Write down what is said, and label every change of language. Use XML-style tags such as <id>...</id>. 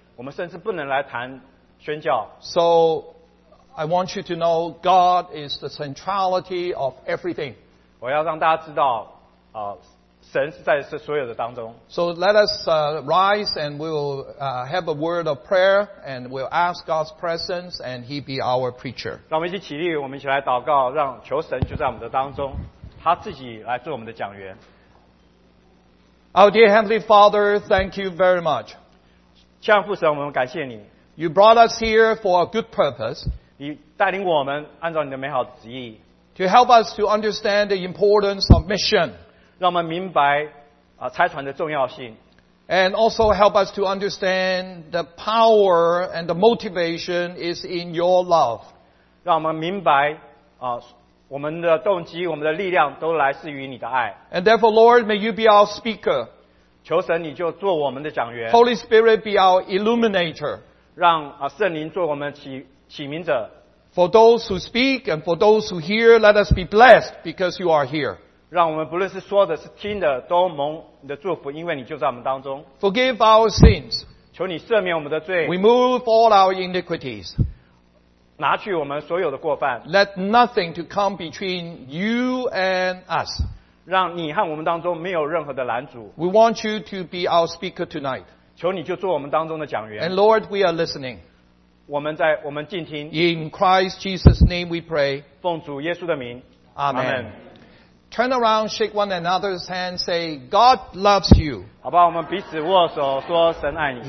<zh>我们甚至不能来谈宣教。</zh> <en>So I want you to know God is the centrality of everything.</en> <zh>我要让大家知道神是在所有的当中。</zh> <en>So let us rise and we'll have a word of prayer and we'll ask God's presence and He be our preacher.</en> <zh>让我们一起起立，我们一起来祷告，让求神就在我们的当中，他自己来做我们的讲员。</zh> <en>Our dear Heavenly Father, thank you very much.</en> <zh>亲爱的父神，我们感谢你。</zh> <en>You brought us here for a good purpose.</en> <zh>你带领我们按照你的美好旨意。</zh> <en>To help us to understand the importance of mission.</en> <zh>让我们明白差传的重要性。</zh> <en>And also help us to understand the power and the motivation is in your love.</en> <zh>让我们明白我们的动机，我们的力量都来自于你的爱。</zh> <en>And therefore, Lord, may you be our speaker.</en> <zh>求神你就做我们的讲员。</zh> <en>Holy Spirit be our illuminator.</en> <zh>让圣灵做我们启明者。</zh> <en>For those who speak and for those who hear, let us be blessed because you are here.</en> <zh>让我们不论是说的是听的都蒙你的祝福，因为你就在我们当中。</zh> <en>Forgive our sins.</en> <zh>求你赦免我们的罪。</zh> <en>Remove all our iniquities.</en> <zh>拿去我们所有的过犯。</zh> <en>Let nothing to come between you and us.</en> <zh>让你和我们当中没有任何的拦阻。</zh> <en>We want you to be our speaker tonight.</en> <zh>求你就做我们当中的讲员。</zh> <en>And Lord, we are listening.</en> <zh>我们静听。</zh> <en>In Christ Jesus' name we pray.</en> <zh>奉主耶稣的名。</zh> <en>Amen. Turn around, shake one another's hand, say, God loves you.</en> <zh>好吧，我们彼此握手，说神爱你。</zh>